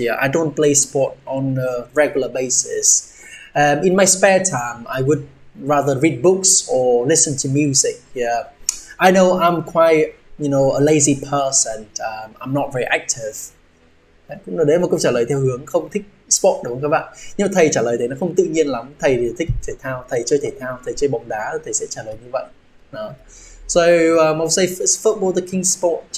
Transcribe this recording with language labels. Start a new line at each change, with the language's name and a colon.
English: Yeah, I don't play sport on a regular basis. In my spare time, I would rather read books or listen to music. Yeah, I know I'm quite, you know, a lazy person. I'm not very active.
Vietnamese: Cũng là đấy một câu trả lời theo hướng không thích sport đúng không các bạn? Nhưng mà thầy trả lời đấy nó không tự nhiên lắm. Thầy thì thích thể thao, thầy chơi thể thao, thầy chơi bóng đá, thầy sẽ trả lời như vậy. Đó.
English: So, I'll say it's football the king sport.